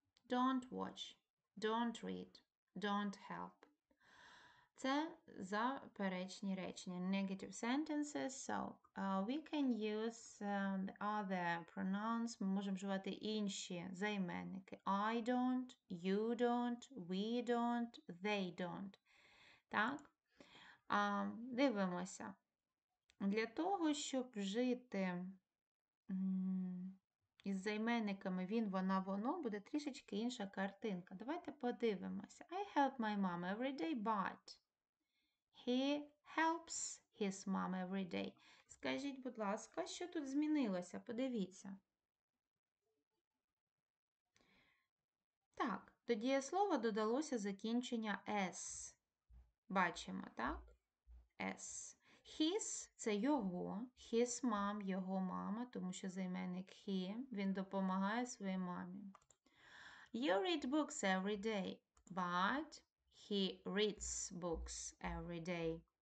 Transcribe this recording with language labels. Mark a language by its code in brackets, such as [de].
[en] Don't watch, don't read, don't help. [uk] Це заперечні речення, [en] negative sentences. So, we can use the other pronouns. [uk] Ми можемо вживати інші займенники. [en] I don't, you don't, we don't, they don't. [uk] Так? Дивимося. Для того, щоб вжити із займенниками він, вона, воно, буде трішечки інша картинка. Давайте подивимося. [en] I help my mom every day, but he helps his mom every day. [uk] Скажіть, будь ласка, що тут змінилося? Подивіться. Так, до дієслова додалося закінчення s. Бачимо, так? S. His – це його, his mom – його мама, тому що займенник he, він допомагає своїй мамі. [en] You read books every day, but he reads books every day.